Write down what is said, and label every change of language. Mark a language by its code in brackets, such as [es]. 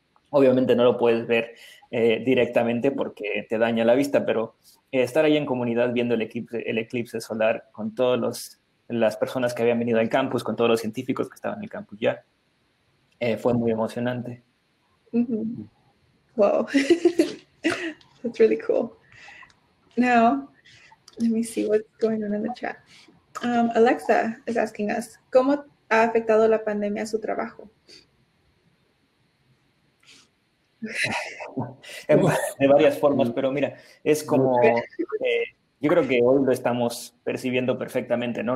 [es] Obviamente no lo puedes ver directamente porque te daña la vista, pero estar ahí en comunidad viendo el eclipse solar con todas las personas que habían venido al campus, con todos los científicos que estaban en el campus ya, fue muy emocionante. [en] Mm-hmm. Wow, that's really cool. Now, let me see what's going on in the chat. Alexa is asking us, [es] ¿cómo ha afectado la pandemia su trabajo? De varias formas, pero mira, es como, yo creo que hoy lo estamos percibiendo perfectamente, ¿no?